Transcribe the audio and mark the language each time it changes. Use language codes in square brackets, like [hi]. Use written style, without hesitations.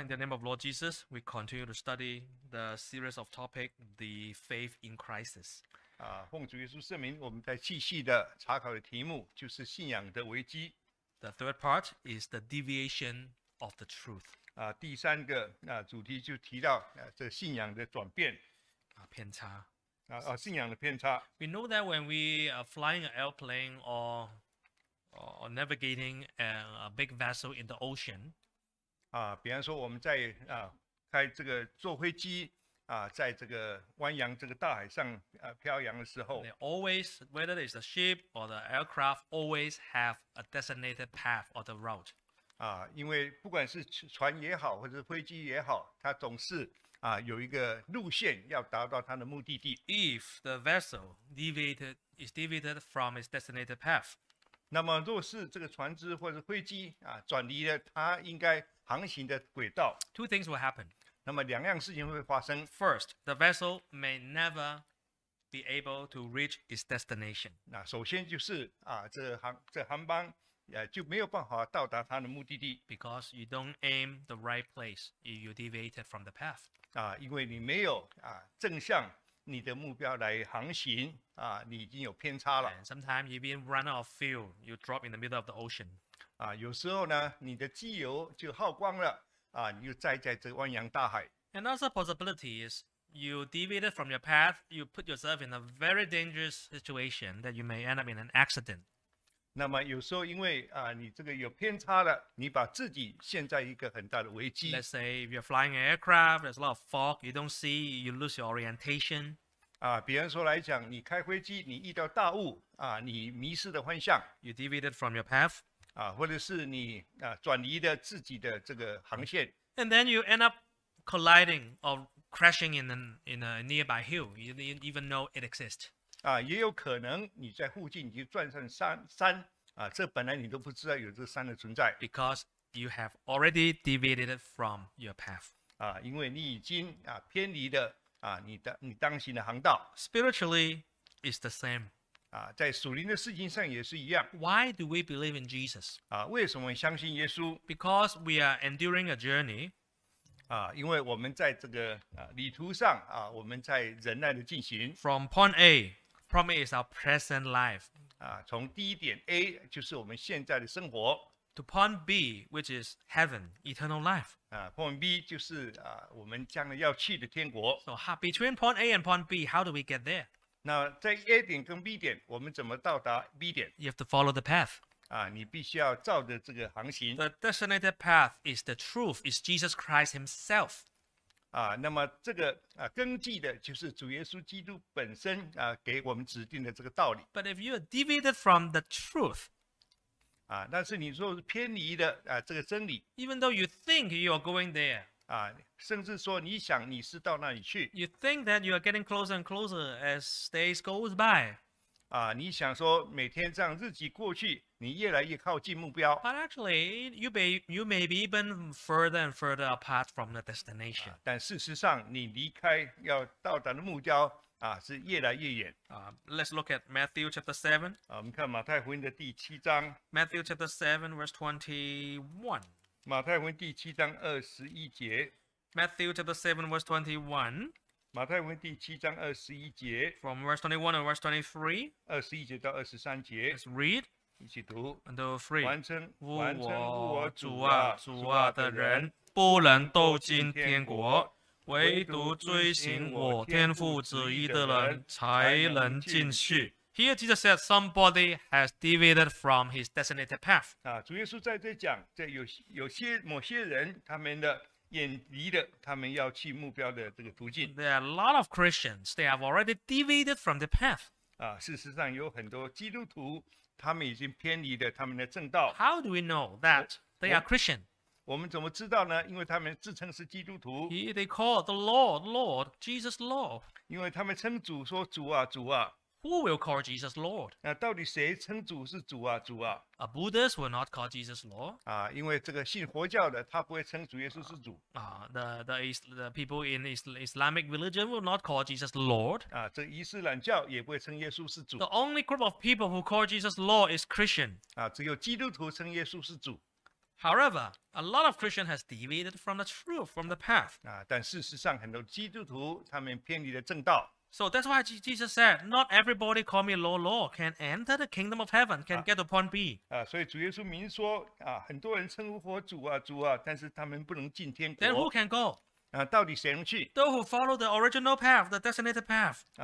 [en] In the name of Lord Jesus, we continue to study the series of topic, the faith in crisis. [zh] 奉主耶稣圣名，我们再继续的查考的题目就是信仰的危机。 [en] The third part is the deviation of the truth. [zh] 第三个主题就提到这信仰的转变。偏差。信仰的偏差。 [en] We know that when we are flying an airplane or navigating a big vessel in the ocean, [zh] 比方说我们在开这个坐飞机在这个湾洋这个大海上飘洋的时候 [en] they always, whether it's a ship or the aircraft, always have a designated path or the route. [zh] 因为不管是船也好或者飞机也好它总是有一个路线要达到它的目的地。 [en] If the vessel is deviated from its designated path, [zh] 那么若是这个船只或者飞机转离了它应该航行的轨道 [en] Two things will happen. [zh] 那么两样事情会发生 [en] First, the vessel may never be able to reach its destination. [zh] 那首先就是这航班就没有办法到达它的目的地 [en] Because you don't aim the right place, you deviated from the path. [zh] 因为你没有正向你的目标来航行你已经有偏差了 [en] Sometimes you've been run out of fuel, you drop in the middle of the ocean. [zh] 有时候呢你的机油就耗光了你就栽在这汪洋大海。 [en] Another possibility is you deviated from your path, you put yourself in a very dangerous situation that you may end up in an accident. [zh] 那么有时候因为你这个有偏差了你把自己陷在一个很大的危机。 [en] Let's say if you're flying an aircraft, there's a lot of fog, you don't see, you lose your orientation. [zh] 比方说来讲你开飞机你遇到大雾你迷失的方向。 [en] You deviated from your path. [zh] 或者是你转移的自己的这个航线 [en] and then you end up colliding or crashing in a nearby hill you didn't even know it exists [zh] 也有可能你在附近你就撞上山这本来你都不知道有这山的存在 [en] because you have already deviated from your path [zh] 因为你已经偏离的你当行的航道 [en] spiritually it's the same [zh] 在属灵的事情上也是一样。 [en] Why do we believe in Jesus? [zh] 为什么相信耶稣 [en] ？Because we are enduring a journey. [zh] 因为我们在这个旅途上我们在忍耐的进行。 [en] From point A, point A is our present life. [zh] 从第一点 A 就是我们现在的生活。 [en] To point B, which is heaven, eternal life. [zh] Point B 就是我们将来要去的天国。 [en] So between point A and point B, how do we get there? [zh] 那在 A 点跟 B 点，我们怎么到达 B 点 [en] ？You have to follow the path. [zh] 你必须要照着这个航行。 [en] The designated path is the truth, is Jesus Christ Himself. [zh] 那么这个根据的就是主耶稣基督本身给我们指定的这个道理。 [en] But if you are deviated from the truth, [zh] 但是你说偏离的这个真理。 [en] Even though you think you are going there. [zh] 甚至说你想你是到那里去 [en] You think that you are getting closer and closer as days goes by [zh] 你想说每天这样日子过去你越来越靠近目标 [en] But actually you may be even further and further apart from the destination [zh] 但事实上你离开要到达的目标是越来越远 [en] Let's look at Matthew chapter 7 [zh] 我们看马太福音的第七章 [en] Matthew chapter 7 verse 21 [zh] 马太福音第七章二十一节 [en] Matthew chapter 7 verse 21 [zh] 马太福音第七章二十一节 [en] From verse 21 and verse 23 [zh] 二十一节到二十三节 [en] Let's read [zh] 一起读 [en] Until 3 [zh] 完成我主啊主啊的人不能斗进天国唯独遵行我天父旨意的人才能进去 [en] Here Jesus said somebody has deviated from his designated path. [zh] 主耶稣在这讲，这有些某些人，他们的远离的，他们要去目标的这个途径。 [en] There are a lot of Christians. They have already deviated from the path. [zh] 事实上有很多基督徒，他们已经偏离了他们的正道。 [en] How do we know that they are Christian? [zh] 我们怎么知道呢？因为他们自称是基督徒。 [en] They call the Lord, Lord, Jesus, Lord. [zh] 因为他们称主说主啊，主啊。 [en] Who will call Jesus Lord? [zh] 到底谁称主是主啊主啊 [en] A Buddhist will not call Jesus Lord. [zh] 因为这个信佛教的他不会称主耶稣是主。 [en] The people in Islamic religion will not call Jesus Lord. [zh] 这伊斯兰教也不会称耶稣是主。 [en] The only group of people who call Jesus Lord is Christian. [zh] 只有基督徒称耶稣是主。 [en] However, a lot of Christians has deviated from the truth, from the path. [zh] 但事实上很多基督徒他们偏离了正道。 [en] So that's why Jesus said, not everybody call me Lord, Lord can enter the kingdom of heaven, can get to point B. [zh] 所以主耶稣明说很多人称呼主啊主啊，但是他们不能进天国。 [en] Then who can go? [zh] 到底谁能去？ [en] Those who follow the original path, the designated path.